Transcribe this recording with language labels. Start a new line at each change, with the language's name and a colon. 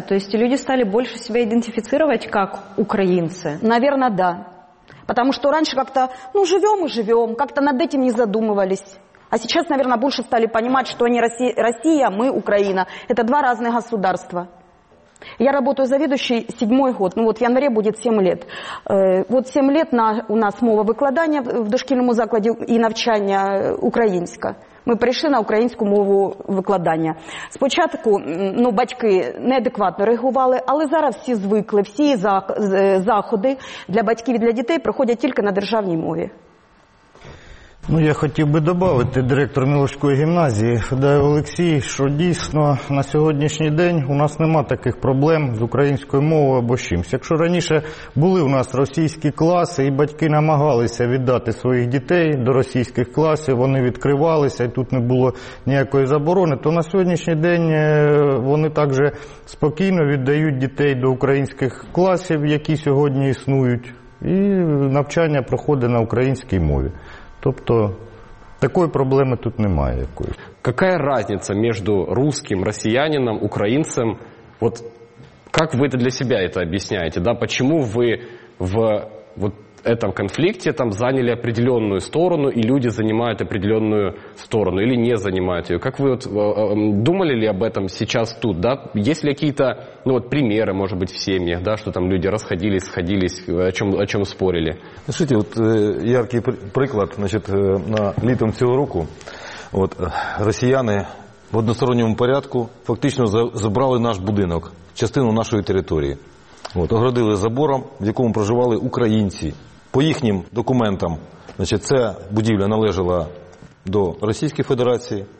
Russian: То есть люди стали больше себя идентифицировать как украинцы? Наверное, да. Потому что раньше как-то, живем и живем, как-то над этим не задумывались. А сейчас, наверное, больше стали понимать, что они Россия, мы Украина. Это два разных государства. Я работаю заведующей 7-й год. В январе будет 7 лет. 7 лет у нас
Ukrainian: мова выкладания в дошкільному закладі і навчання українська. Ми прийшли на українську мову викладання. Спочатку батьки неадекватно реагували, але зараз всі звикли. Всі заходи для батьків і для дітей проходять тільки на державній мові. Ну, я хотів би додати, директор Мілошської гімназії Федоров Олексій, що дійсно на сьогоднішній день у нас нема таких проблем з українською мовою або чимось. Якщо раніше були у нас російські класи, і батьки намагалися віддати своїх дітей до російських класів, вони відкривалися, і тут не було ніякої заборони, то на сьогоднішній день вони також спокійно віддають дітей до українських класів, які сьогодні існують, і навчання проходить на українській мові. Тобто такої проблеми тут немає якоїсь.
Russian: Какая разница между русским россиянином, украинцем? Вот как вы это для себя это объясняете, да? Почему вы в вот этом конфликте там заняли определенную сторону, и люди занимают определенную сторону или не занимают ее? Как вы вот думали ли об этом сейчас тут, да? Есть ли какие-то, ну вот, примеры, может быть, в семьях, да, что там люди расходились, сходились, о чем спорили? Слушайте, вот
Ukrainian: яркий приклад, значит, на літом цього року, вот, росіяни в односторонньому порядку фактично забрали наш будинок, частину нашої території. От, оградили забором, в якому проживали українці. По їхнім документам, значить, ця будівля належала до Російської Федерації.